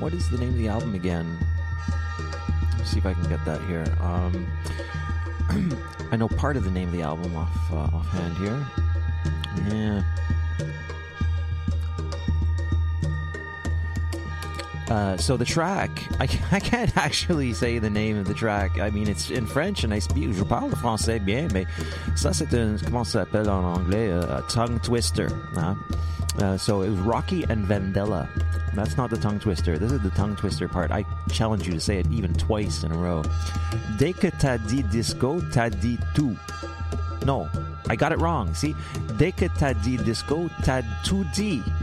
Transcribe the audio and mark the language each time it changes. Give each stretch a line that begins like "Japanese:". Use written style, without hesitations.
English: What is the name of the album again? Let's see if I can get that here. I know part of the name of the album offhand here. Yeah. So the track, I can't actually say the name of the track. I mean, it's in French, and I speak,
French: je parle de français bien, mais ça c'est un, comment ça s'appelle en anglais,
English: a tongue twister. Huh? So it was Rocky and Vandella. That's not the tongue twister. This is the tongue twister part. I challenge you to say it even twice in a row.
French: Dès que t'as dit disco, t'as dit tout.
English: No, I got it wrong.
French: See, dès que t'as dit disco, t'as tout dit.